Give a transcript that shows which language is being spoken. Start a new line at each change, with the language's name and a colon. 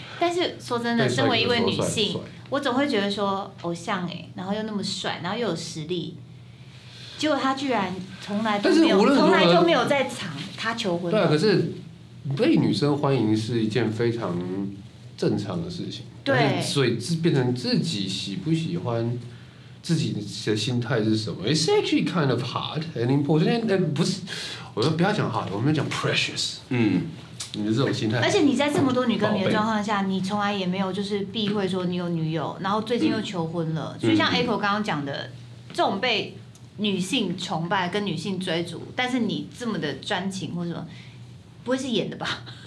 Chinese: 但是说真的，身为一位女性，我总会觉得说偶像哎、欸，然后又那么帅，然后又有实力，结果他居然从来都没有，从来就没有在场他求婚。对啊，可是被女生欢迎是一件非常正常的事情。对，所以是变成自己喜不喜欢。自己的心态是什么
English: ？It's actually kind of hard and important.
Chinese: 不是，我说不要讲 hard， 我们讲 precious。嗯，你的这种心态。而且你在这么多女歌迷的状况下，你从来也没有就是避讳说你有女友，然后最近又求婚了。就像 Echo 刚刚讲的，这种被女性崇拜跟女性追逐，但是你这么的专情或什么，不会是演的吧？